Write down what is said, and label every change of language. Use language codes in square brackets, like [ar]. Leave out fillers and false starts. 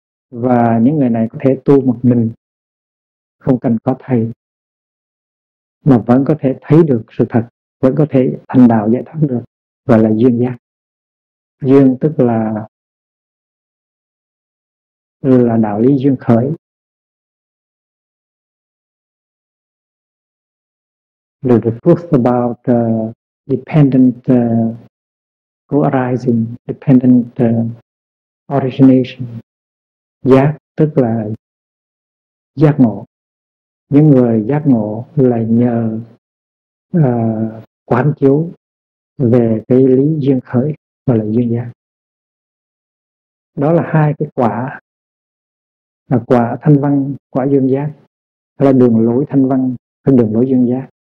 [vi] Và những người này có thể tu một mình không cần có thầy mà vẫn có thể thấy được sự thật, vẫn có thể thành đạo giải thoát được, gọi là duyên giác. Duyên tức là đạo lý duyên khởi. [en] The truth about the dependent co-arising, dependent origination. [vi] Giác tức là giác ngộ. Những người giác ngộ là nhờ quán chiếu về cái lý duyên khởi và là duyên giác. Đó là hai cái quả, là quả thanh văn, quả duyên giác, là đường lối thanh văn và đường lối duyên giác.